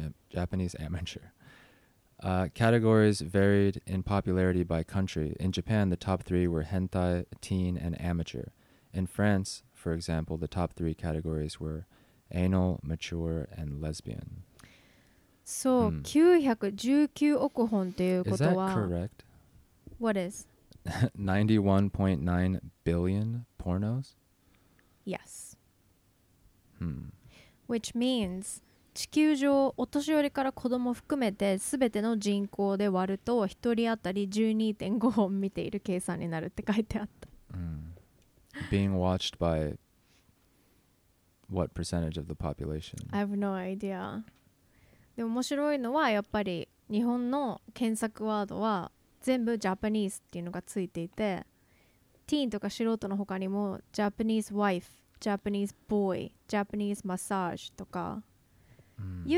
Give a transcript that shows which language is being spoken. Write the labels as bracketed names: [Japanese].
[English] Japanese amateur. Categories varied in popularity by country. In Japan, the top three were hentai, teen, and amateur. In France, for example, the top three categories were anal, mature, and lesbian. [Japanese] So, 919億本ということは [English] Is that correct? What is? 91.9 billion pornos? Yes. Hmm. [Japanese] Which means, 地球上、お年寄りから子供含めて全ての人口で割ると1人当たり 12.5 本見ている計算になるって書いてあった。 [English] Being watched by what percentage of the population? I have no idea. [Japanese] で面白いのはやっぱり日本の検索ワードは全部ジャパニーズっていうのがついていてティーンとか素人の他にもジャパニーズワイフ、ジャパニーズボーイ、ジャパニーズマッサージとか、うん、